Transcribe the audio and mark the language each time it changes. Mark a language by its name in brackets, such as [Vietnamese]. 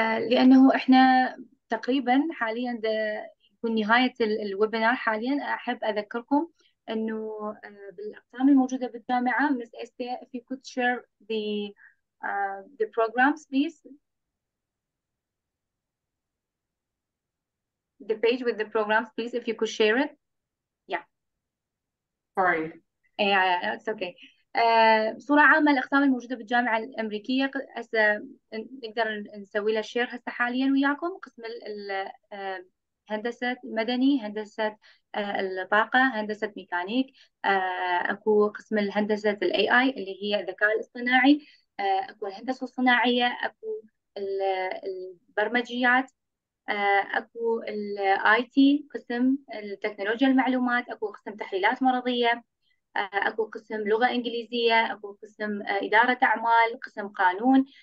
[Arabic] لأنه إحنا تقريبا حاليا يكون نهاية الويبينار حاليا، أحب أذكركم أنه بالأقسام الموجودة بالجامعة، [English] Miss Estia, if you could share the programs please. The page with the programs please, if you could share it. Yeah. Sorry. Yeah, it's okay. [Arabic] بصورة عامة الأقسام الموجودة بالجامعة الأمريكية هسه نقدر نسوي لها شير هسه حاليا وياكم، قسم الهندسة المدني، هندسة الطاقة، هندسة ميكانيك، اكو قسم الهندسة الاي اي اللي هي الذكاء الاصطناعي، اكو الهندسة الصناعية، اكو البرمجيات، اكو الاي تي قسم التكنولوجيا المعلومات، اكو قسم تحليلات مرضية، أكو قسم لغة إنجليزية، أكو قسم إدارة أعمال، قسم قانون.